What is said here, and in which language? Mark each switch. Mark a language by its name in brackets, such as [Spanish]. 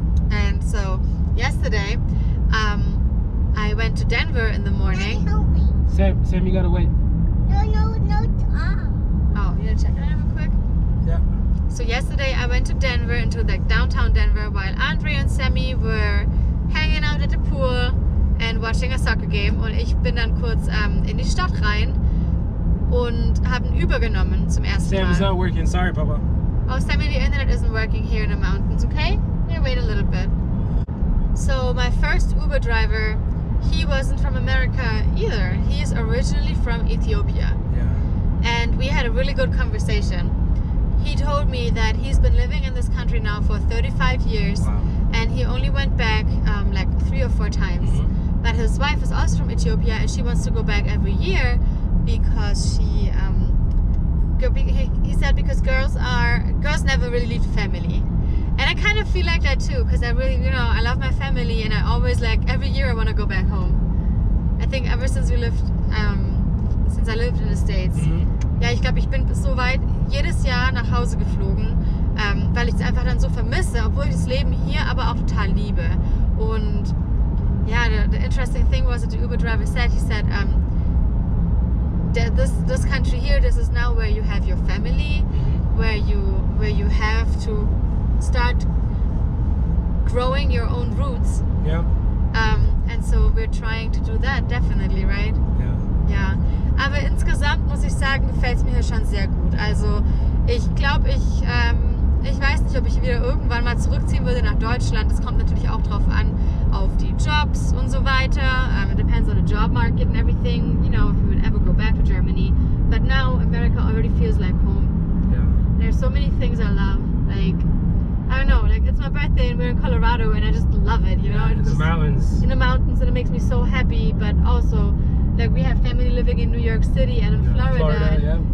[English] And so, yesterday, I went to Denver in the morning. Daddy, help me. Sam, you gotta wait. No. Oh, you gonna check it out real quick? Yeah. So yesterday, I went to Denver, into like downtown Denver, while Andre and Sammy were hanging out at the pool and watching a soccer game. [German] Und ich bin dann kurz in die Stadt rein. Und haben übergenommen zum ersten [English] Sam [German] Mal. [English] Sam is not working, sorry, Papa. Oh, Sammy, the internet isn't working here in the mountains, okay? Here, wait a little bit. So, my first Uber driver, he wasn't from America either. He is originally from Ethiopia. Yeah. And we had a really good conversation. He told me that he's been living in this country now for 35 years. Wow. And he only went back like 3 or 4 times. Mm-hmm. But his wife is also from Ethiopia and she wants to go back every year. Because he said, because girls never really leave family. And I kind of feel like that too, because I really, you know, I love my family and I always, like, every year I want to go back home. I think ever since I lived in the States. Mm-hmm. [German] Yeah, ich glaube, ich bin so weit, jedes Jahr nach Hause geflogen, weil ich es einfach dann so vermisse, obwohl ich das Leben hier aber auch total liebe. Und ja, [English] the interesting thing was that the Uber driver said, this country here, this is now where you have your family, where you have to start growing your own roots. Yeah. And so we're trying to do that, definitely, right? Yeah. Yeah. [German] Aber insgesamt muss ich sagen, gefällt es mir hier schon sehr gut. Also ich glaube, ich weiß nicht, ob ich wieder irgendwann mal zurückziehen würde nach Deutschland. Das kommt natürlich auch drauf an, auf die Jobs und so weiter. [English] It depends on the job market and everything, you know, if we would ever go back to Germany. But now America already feels like home. There's so many things I love. Like, I don't know, like it's my birthday and we're in Colorado and I just love it, you know? In the mountains. In the mountains, and it makes me so happy, but also, like, we have family living in New York City and in Florida.